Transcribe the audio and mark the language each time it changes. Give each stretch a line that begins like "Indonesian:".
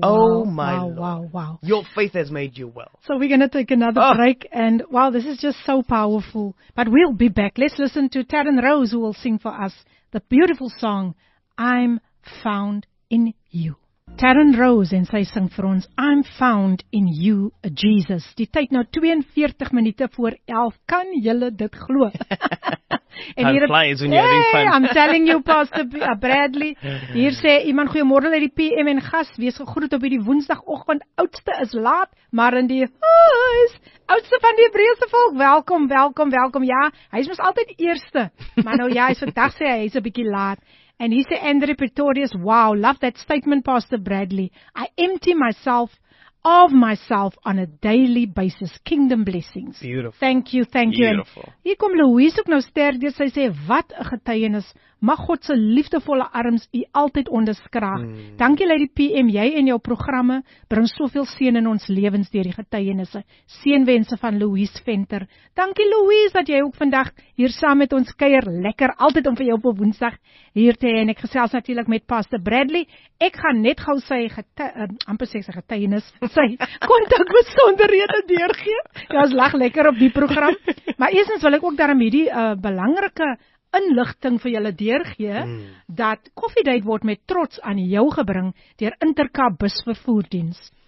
English: wow. Your faith has made you well. So we're going to take another break. And wow, this is just so powerful. But we'll be back. Let's listen to Taryn Rose, who will sing for us the beautiful song, I'm Found in You.
Afrikaans: Taryn Rose en sy sing vir ons,
English: I'm found in you, Jesus.
Afrikaans: Die tyd nou 42 minute voor 11, kan julle dit glo? En hier,
English: hey, I'm telling you, Pastor Bradley.
Afrikaans: Hier sê iemand, goeiemorgen uit die PM en gas, wees gegroet op die woensdagochtend. Oudste is laat, maar in die huis. Oudste van die Hebreëse volk, welkom. Ja, hy is mos altyd eerste. Maar nou ja, hy is vandag sê hy is 'n bietjie laat.
English: And he said, Andrew Pretorius, wow, love that statement, Pastor Bradley. I empty myself of myself on a daily basis. Kingdom blessings. Beautiful. Thank you. Beautiful.
Afrikaans: Hier kom Louise ook nou sterk deur. Sy sê, wat 'n getuienis. Mag God se liefdevolle arms u altyd onderskraag. Dankie, Lady PM, jy en jou programme bring soveel seën in ons lewens deur die getuienisse. Seënwense van Louise Venter. Dankie, Louise, dat jy ook vandag hier saam met ons kuier. Lekker, altyd om vir jou op 'n Woensdag hier te hê. En ek gesels natuurlik met Pastor Bradley. Ek gaan net gou sy getuienis, sy kontak besonderhede deurgee. Ja, ons lag lekker op die program. Maar eersens wil ek ook daarom hierdie belangrike inligting vir julle deurgee, dat Koffiedate word met trots aan jou gebring deur Interkab busvervoerdiens.